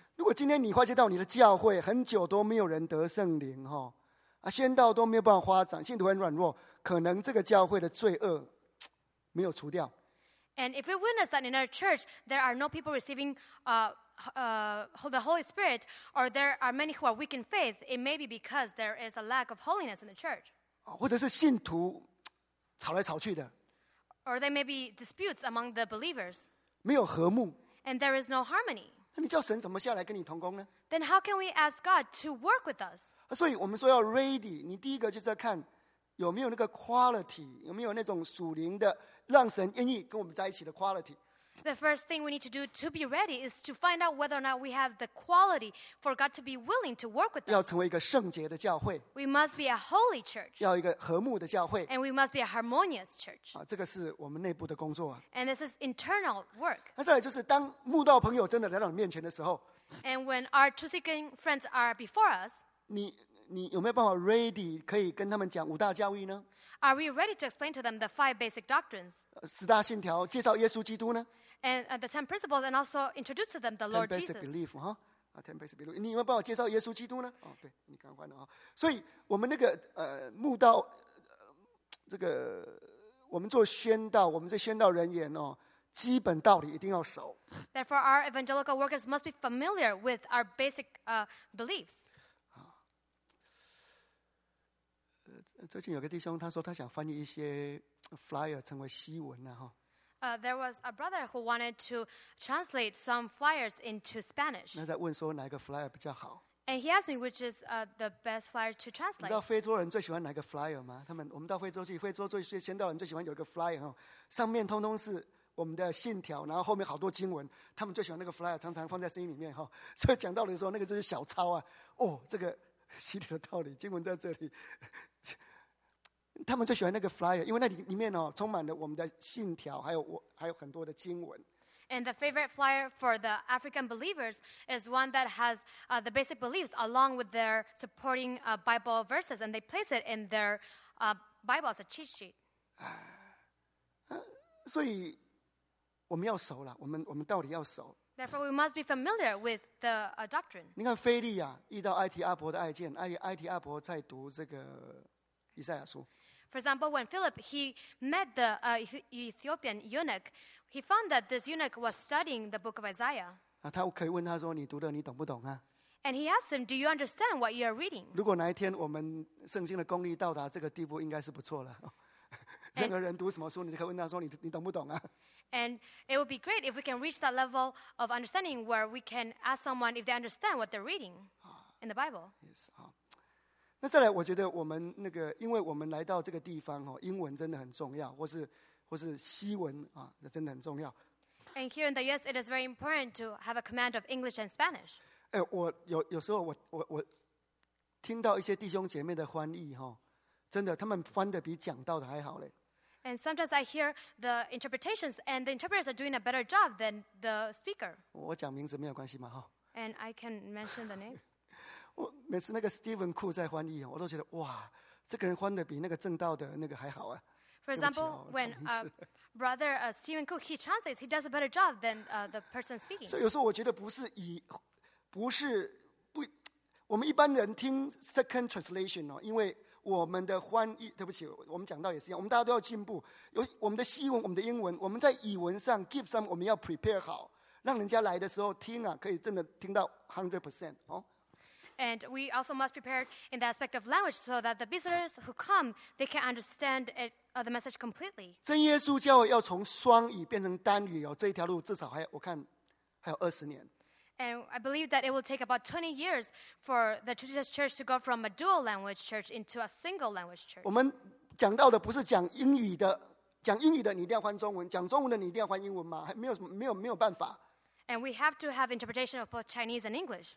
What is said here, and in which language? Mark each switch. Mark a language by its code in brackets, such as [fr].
[zh] 如果今天你发现到你的教会很久都没有人得圣灵，宣道都没有办法发展，信徒很软弱，可能这个教会的罪恶没有除掉。 [en] And if we witness that in our church there are no people receiving the Holy Spirit, or there are many who are weak in faith, it may be because there is a lack of holiness in the church. [zh] 或者是信徒吵来吵去的。 [en] Or there may be disputes among the believers. [zh] 没有和睦。 [en] And there is no harmony. [zh] 那你叫神怎么下来跟你同工呢？ [en] Then how can we ask God to work with us? [zh] 所以我们说要 ready， 你第一个就是要看有没有那个 quality， 有没有那种属灵的让神愿意跟我们在一起的 quality。 [en] The first thing we need to do to be ready is to find out whether or not we have the quality for God to be willing to work with us. [zh] 要成为一个圣洁的教会。 [en] We must be a holy church. [zh] 要一个和睦的教会。 [en] And we must be a harmonious church. [zh] 这个是我们内部的工作。 [en] And this is internal work. [zh] 那再来就是当慕道朋友真的来到你面前的时候。 [en] And when our two seeking friends are before us, [zh] 你有没有办法 ready 可以跟他们讲五大教义呢？ [en] Are we ready to explain to them the five basic doctrines? [zh] 十大信条介绍耶稣基督呢？ [en] And the ten principles and also introduce to them the Lord Jesus. Ten basic belief, huh? Ten basic belief. [zh] 你有没有帮我介绍耶稣基督呢？哦，对，你赶快的啊。所以我们那个慕道，这个我们做宣道，我们这宣道人员哦，基本道理一定要熟。 [en] Therefore, our evangelical workers must be familiar with our basic beliefs. [zh] 最近有个弟兄他说他想翻译一些 flyer 成为西文呢，哈。 [en] There was a brother who wanted to translate some flyers into Spanish. [zh] 那在问说哪个 flyer 比较好？ [en] And he asked me which is the best flyer to translate. [zh] 你知道非洲人最喜欢哪个 flyer 吗？他们我们到非洲去，非洲最先到人最喜欢有一个 flyer 哈，上面通通是我们的信条，然后后面好多经文。他们最喜欢那个 flyer， 常常放在心里面哈。所以讲道理的时候，那个就是小抄啊。哦，这个心里的道理经文在这里。他们最喜欢那个 flyer， 因为那里面、哦、充满了我们的信条，还有很多的经文。 [en] And the favorite flyer for the African believers is one that has the basic beliefs along with their supporting Bible verses, and they place it in their Bible as a cheat sheet. [zh] 所以我们要熟了，我们到底要熟。 [en] Therefore, we must be familiar with the doctrine. [zh] 你看腓利亚遇到埃提阿伯的爱见，埃提阿伯在读这个以赛亚书。 [en] For example, when Philip he met the Ethiopian eunuch, he found that this eunuch was studying the book of Isaiah. [zh] 啊，他可以问他说：“你读的你懂不懂啊？” [en] And he asked him, "Do you understand what you are reading?" [zh] 如果哪一天我们圣经的功力到达这个地步，应该是不错了。任何人读什么书，你可以问他说：“你懂不懂啊？” [en] And it would be great if we can reach that level of understanding where we can ask someone if they understand what they're reading in the Bible. Yes. [zh] 那再来，我觉得我们那个，因为我们来到这个地方哦，英文真的很重要，或是西文啊，那真的很重要。 [en] And here in the US, it is very important to have a command of English and Spanish. [zh] 哎，我有时候我听到一些弟兄姐妹的翻译哈，真的，他们翻的比讲到的还好嘞。 [en] And sometimes I hear the interpretations, and the interpreters are doing a better job than the speaker. [zh] 我讲名字没有关系嘛哈。 [en] And I can mention the name. [zh] 我每次那个 Stephen Koo 在翻译，我都觉得哇，这个人翻的比那个正道的那个还好啊。 [en] For example, when brother Stephen Koo he translates, he does a better job than the person speaking. [zh] 所以有时候我觉得不是我们一般人听 [en] second translation [zh] 哦，因为我们的翻译，对不起，我们讲到也是一样，我们大家都要进步。有我们的西文，我们的英文，我们在语文上 [en] give some， [zh] 我们要 prepare 好，让人家来的时候听啊，可以真的听到 100% 哦。 [en] And we also must prepare in the aspect of language so that the visitors who come, they can understand it, the message completely. [zh] 真耶稣教会要从双语变成单语、哦、这一条路至少还我看还有20年。 [en] And I believe that it will take about 20 years for the True Jesus Church to go from a dual language church into a single language church. [zh] 我们讲到的不是讲英语的，讲英语的你一定要换中文，讲中文的你一定要换英文吗？没有办法。 [en] And we have to have interpretation of both Chinese and English.